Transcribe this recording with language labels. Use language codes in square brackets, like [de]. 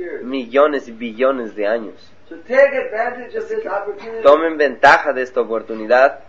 [es] millones y billones de años. [en] So take advantage of this opportunity. [es] Tomen ventaja de esta oportunidad.